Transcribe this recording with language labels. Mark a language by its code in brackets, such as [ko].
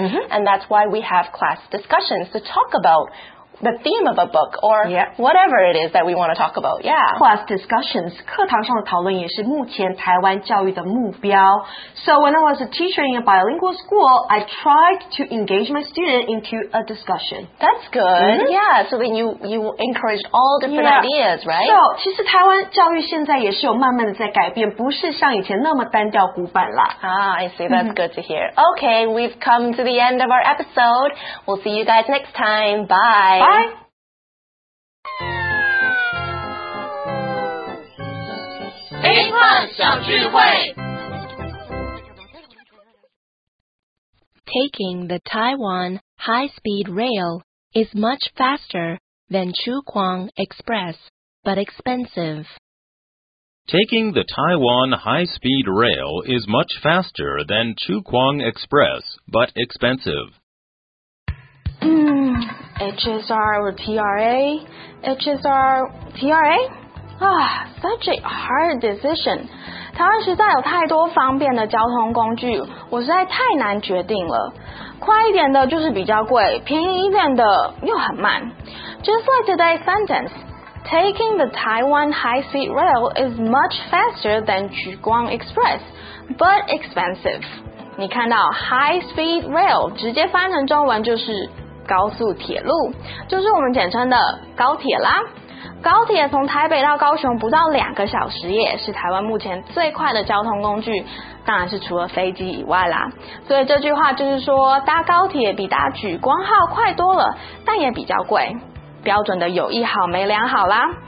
[en] And that's why we have class discussions to talk about. The theme of a book or whatever it is that we want to talk about. Yeah. Class discussions, [zh] 课堂上的讨论也是目前台湾教育的目标。 [en] So when I was a teacher in a bilingual school, I tried to engage my student into a discussion. That's good. Yeah, so then you encouraged all different ideas, right? So, [zh] 其实台湾教育现在也是有慢慢的在改变，不是像以前那么单调古板啦。 [en] Ah, I see. That's good to hear. Okay, we've come to the end of our episode. We'll see you guys next time. Bye. Bye. [zh] English 小聚会 [en] Taking the Taiwan high-speed rail is much faster than Chu Kwang Express, but expensive. Taking the Taiwan high-speed rail is much faster than Chu Kwang Express, but expensive. HSR or TRA? HSR, TRA? Ah, such a hard decision. [zh] 台湾实在有太多方便的交通工具，我实在太难决定了。快一点的就是比较贵，便宜一点的又很慢。 [en] Just like today's sentence, taking the Taiwan high-speed rail is much faster than Chu Kwang Express, but expensive. [zh] 你看到 high-speed rail 直接翻成中文就是高速铁路就是我们简称的高铁啦高铁从台北到高雄不到两个小时也是台湾目前最快的交通工具当然是除了飞机以外啦所以这句话就是说搭高铁比搭莒光号快多了但也比较贵标准的有一好没两好啦